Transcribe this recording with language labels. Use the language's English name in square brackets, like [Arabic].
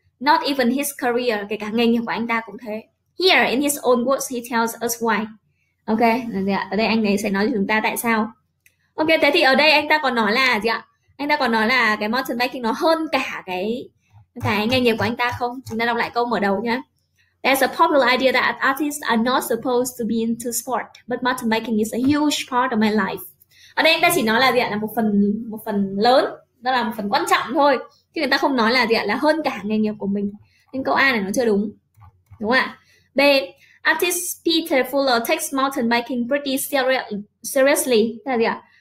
[English] Not even his career, [Vietnamese] kể cả nghề nghiệp của anh ta cũng thế. [English] Here, in his own words, he tells us why. Ok, [Vietnamese] là gì ạ? Ở đây anh ấy sẽ nói cho chúng ta tại sao. Ok, thế thì ở đây anh ta còn nói là gì ạ? Anh ta còn nói là cái mountain biking nó hơn cả cái nghề nghiệp của anh ta không? Chúng ta đọc lại câu mở đầu nhé. [English] There's a popular idea that artists are not supposed to be into sport, but mountain biking is a huge part of my life. [Vietnamese] Ở đây anh ta chỉ nói là gì ạ? Là một phần lớn, đó là một phần quan trọng thôi. Chứ người ta không nói là gì ạ? Là hơn cả nghề nghiệp của mình. Nên câu A này nó chưa đúng. Đúng không ạ? [English] B. Artist Peter Fuller takes mountain biking pretty seriously. [Vietnamese] Là gì ạ?